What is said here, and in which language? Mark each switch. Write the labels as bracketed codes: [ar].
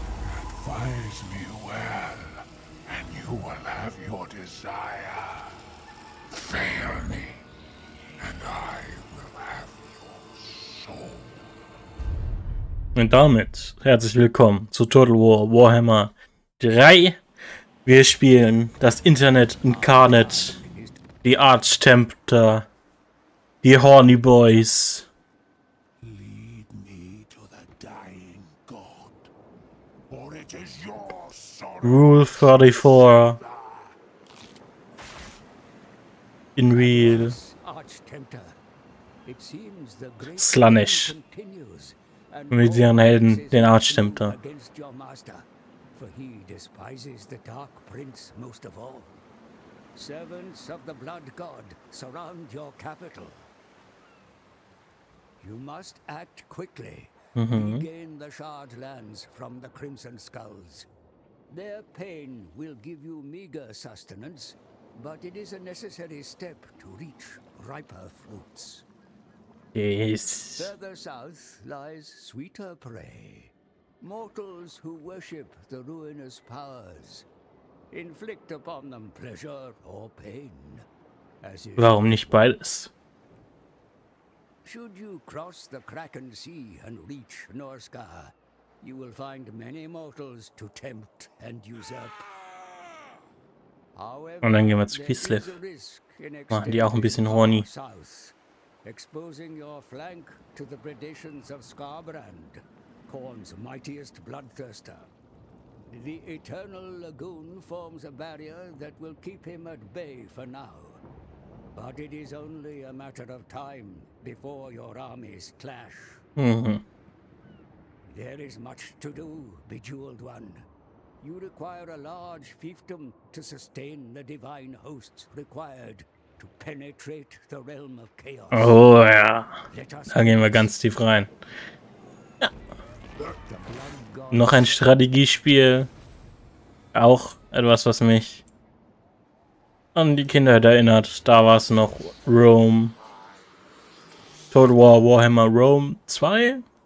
[en] Advise me well, and you will have your desire. Fail me, and I will have your soul. [de] Und damit herzlich willkommen zu Total War Warhammer 3. Wir spielen das Internet Incarnate, die Archtempter, die Horny Boys. [en] Lead me to the dying god, or it is your sorrow. Rule 34. In real. Archtempter. It seems the great Slanish. [de] Mit ihren Helden, den Archtempter. [en] Against your master, for he despises the Dark Prince most of all. Servants of the Blood God surround your capital. You must act quickly. Regain the Shard Lands from the Crimson Skulls. Their pain will give you meager sustenance, but it is a necessary step to reach riper fruits. Yes. Further south lies sweeter prey. Mortals who worship the ruinous powers inflict upon them pleasure or pain. [de] Warum nicht beides? [en] Should you cross the Kraken Sea and reach Norskar, you will find many mortals to tempt and usurp. However, [de] und dann gehen wir zu Kislev. Machen die auch ein bisschen horny. [en] Exposing your flank to the predations of Skarbrand, Khorne's mightiest bloodthirster. The Eternal Lagoon forms a barrier that will keep him at bay for now. But it is only a matter of time before your armies clash. There is much to do, Bejeweled One. You require a large fiefdom to sustain the divine hosts required to penetrate the realm of chaos. [de] Oh ja. Da gehen wir ganz tief rein. Ja. Noch ein Strategiespiel. Auch etwas, was mich an die Kindheit erinnert. Da war es noch Rome. Total War Warhammer Rome 2.